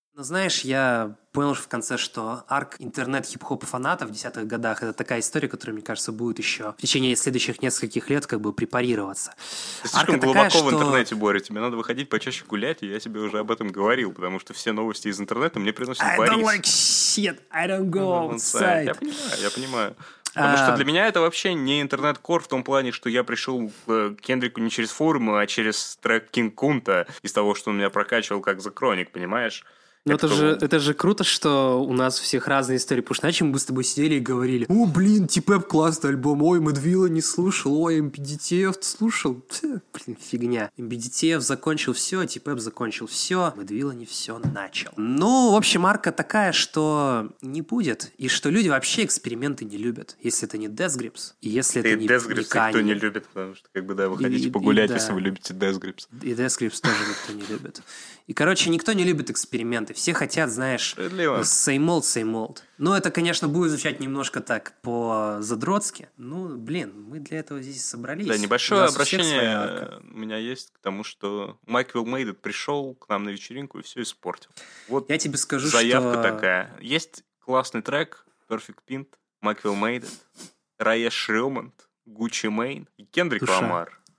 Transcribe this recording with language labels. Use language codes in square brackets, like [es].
[ru] Но знаешь, я понял в конце, что арк интернет-хип-хоп-фаната в 10-х годах — это такая история, которая, мне кажется, будет еще в течение следующих нескольких лет как бы препарироваться. Ты слишком глубоко в интернете, Боря, тебе надо выходить почаще гулять, и я тебе уже об этом говорил, потому что все новости из интернета мне приносят Борис. [en] I don't like shit, I don't go outside. [ru] Я понимаю. Потому что для меня это вообще не интернет-кор в том плане, что я пришел к Кендрику не через форумы, а через трек «Кинг Кунта» из того, что он меня прокачивал как The Chronic, понимаешь? Ну это же круто, что у нас у всех разные истории, потому что иначе мы бы с тобой сидели и говорили: «О, блин, Типэп классный альбом, ой, Мэдвилла не слушал, ой, MBDTF слушал». Блин, фигня. MBDTF закончил все, Типэп закончил все, Мэдвилла не все начал. Ну, в общем, арка такая, что не будет, и что люди вообще эксперименты не любят, если это не Death Grips, и если это не Death Grips никто не любит, потому что как бы, да, вы хотите погулять, если вы любите Death Grips. И Death Grips тоже никто не любит. И, короче, никто не любит эксперименты. Все хотят, знаешь, [en] same old, same old. [ru] Ну, это, конечно, будет звучать немножко так по-задротски. Ну, блин, мы для этого здесь собрались. Да, небольшое обращение у меня есть к тому, что Майк Вилл Мейдед пришел к нам на вечеринку и все испортил. Вот я тебе скажу, заявка что... такая. Есть классный трек Perfect Pint, Майк Вилл Мейдед, Рая Шрёмонт, Гуччи Мейн и Кендрик Ламар.